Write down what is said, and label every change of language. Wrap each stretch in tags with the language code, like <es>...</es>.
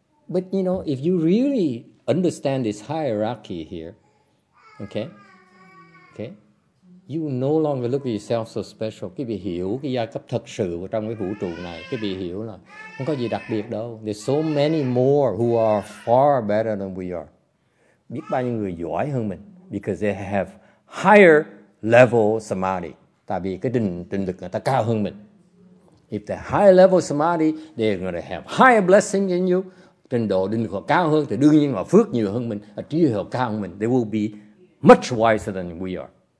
<en>But you know, if you really understand this hierarchy here, okay, You no longer look at yourself so special.</en> <vi>Quý vị hiểu cái giai cấp thật sự trong cái vũ trụ này. Quý vị hiểu là không có gì đặc biệt đâu.</vi> <en>There's so many more who are far better than we are.</en> <vi>Biết bao nhiêu người giỏi hơn mình.</vi> <en>Because they have higher level samadhi.</en> <vi>Tại vì cái định lực người ta cao hơn mình.</vi> <en>If they're higher level samadhi, they're going to have higher blessing than you.</en> <vi>Trình độ định lực họ cao hơn, thì đương nhiên họ phước nhiều hơn mình. Trí huệ họ cao hơn mình.</vi> <en>They will be much wiser than we are.</en>